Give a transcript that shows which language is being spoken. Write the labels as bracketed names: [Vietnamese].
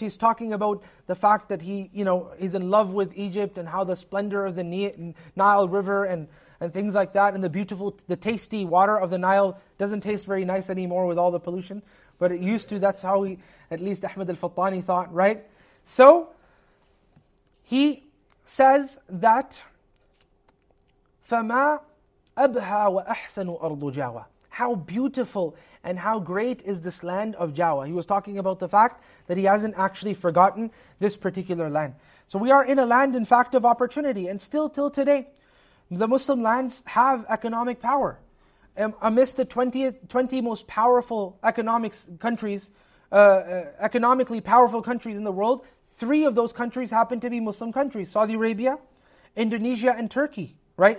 [English] He's talking about the fact that he, you know, he's in love with Egypt and how the splendor of the Nile River and things like that, and the beautiful, the tasty water of the Nile doesn't taste very nice anymore with all the pollution, but it used to. That's how he, at least Ahmed al-Fattani, thought, right? So he says that [Arabic] فَمَا أَبْهَى وَأَحْسَنُ أَرْضُ جَاوَى. [English] How beautiful and how great is this land of Jawa. He was talking about the fact that he hasn't actually forgotten this particular land. So we are in a land, in fact, of opportunity. And still till today, the Muslim lands have economic power. Amidst the 20 most powerful economically powerful countries in the world, three of those countries happen to be Muslim countries: Saudi Arabia, Indonesia, and Turkey. Right?